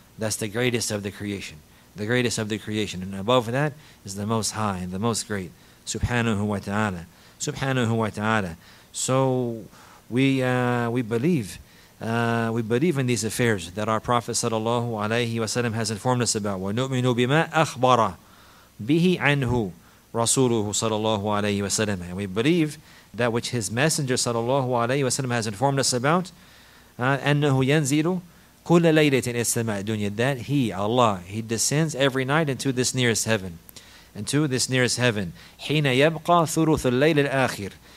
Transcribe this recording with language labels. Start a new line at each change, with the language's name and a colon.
English: That's the greatest of the creation, the greatest of the creation. And above that is the most high and the most great, Subhanahu wa Taala, Subhanahu wa Taala. So We believe in these affairs that our Prophet sallallahu alaihi wasallam has informed us about.
Arabic: وَنُؤْمِنُ بِمَا أَخْبَرَ بِهِ عَنْهُ رَسُولُهُ sallallahu alaihi wasallam.
English: And we believe that which his messenger sallallahu alaihi wasallam has informed us about.
Arabic: أَنَّهُ يَنْزِلُ كُلَّ لَيْلَةٍ السَّمَاءَ الدُّنْيَا.
English: That he, Allah, he descends every night into this nearest heaven. Into this nearest heaven.
Arabic: حِينَ يَبْقَى ثُرُثُ اللَّيْلِ الْآخِرِ.